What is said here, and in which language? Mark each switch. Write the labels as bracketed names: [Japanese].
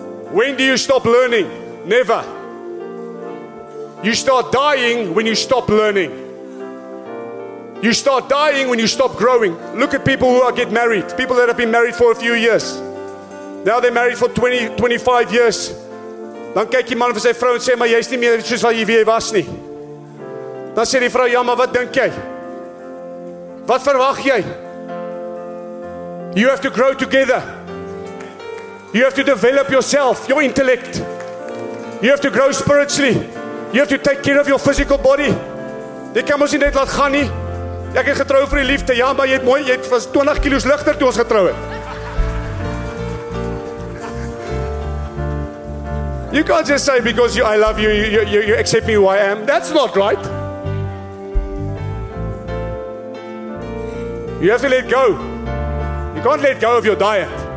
[English] When do you stop learning? Never. You start dying when you stop learning. You start dying when you stop growing. Look at people who get married. People that have been married for a few years. Now they're married for 20, 25 years. [Afrikaans] Dan kyk die man vir sy vrou en sê, maar jy is nie meer soos wat jy was nie. Dan sê die vrou, ja, maar wat dink jy? Wat verwag jy? [English] You have to grow together. You have to develop yourself, your intellect. You have to grow spiritually. You have to take care of your physical body. [Afrikaans] Jy kan mos nie net laat gaan nie. Ek het getrou vir die liefde. Ja, maar jy het was 20 kilos ligter toe ons getrou het. [English] You can't just say because I love you, you accept me who I am. That's not right. You have to let go. You can't let go of your diet.